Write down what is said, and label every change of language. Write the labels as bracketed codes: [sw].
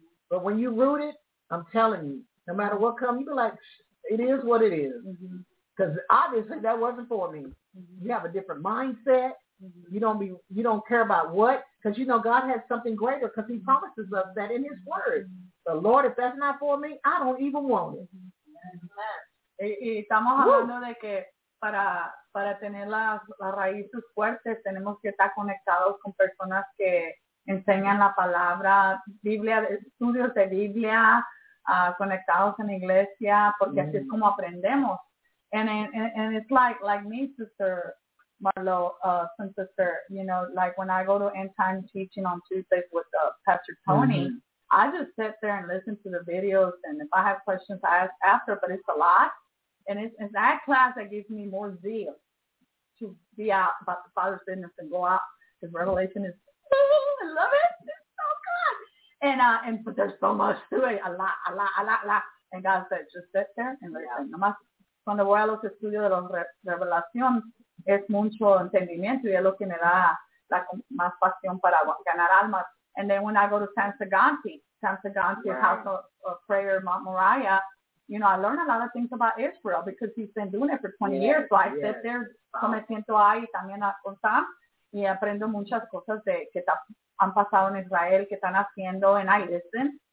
[en] But when you root it, I'm telling you, no matter what comes, you'll be like, it is what it is, because obviously that wasn't for me. Mm-hmm. You have a different mindset. Mm-hmm. You don't care about what, because you know God has something greater, because He promises us that in His Word. But Lord, if that's not for me, I don't even want it. [es] Estamos hablando de que para tener las raíces fuertes tenemos que estar conectados con personas que enseñan la palabra, Biblia, estudios de Biblia. Conectados en iglesia, porque así es como aprendemos. [en] And it's like me, Sister Marlo, sister, you know, like when I go to end time teaching on Tuesdays with Pastor Tony, I just sit there and listen to the videos, and if I have questions, I ask after, but it's a lot. And it's that class that gives me more zeal to be out about the Father's business and go out, because Revelation is, I love it. And but there's so much to it, a lot. And God said, just sit there and listen. [es] Nomás cuando voy a los estudios de la revelación, es mucho entendimiento y es lo que me da la más pasión para ganar almas. [en] And then when I go to San Saganti, House of Prayer, Mount Moriah, you know, I learn a lot of things about Israel because he's been doing it for 20 years. So I sit there, [es] me siento ahí también con Sam, y aprendo muchas cosas de que está han pasado en Israel, que están haciendo, [en] and I listen.